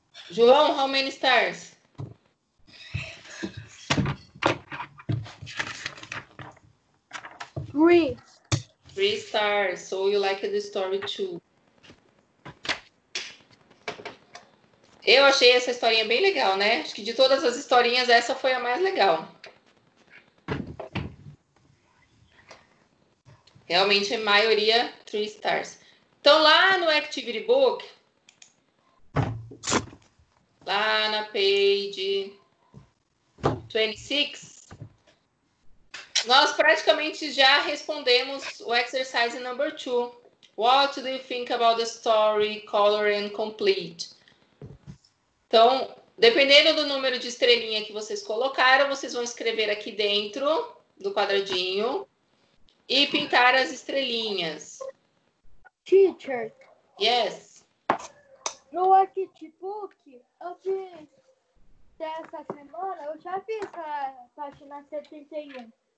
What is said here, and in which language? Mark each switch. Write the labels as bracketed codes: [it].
[en] João, how many stars? Three. Three stars, so you like the story too. [pt] Eu achei essa historinha bem legal, né? Acho que de todas as historinhas, essa foi a mais legal. Realmente, a maioria, [en] three stars. [pt] Então, lá no Activity Book, lá na [en] page 26, [pt] nós praticamente já respondemos o [en] exercise number 2. What do you think about the story, color and complete? [pt] Então, dependendo do número de estrelinha que vocês colocaram, vocês vão escrever aqui dentro do quadradinho e pintar as estrelinhas. [en] Teacher. Yes. [pt] No Activity Book, eu fiz dessa semana, eu já fiz a página 71.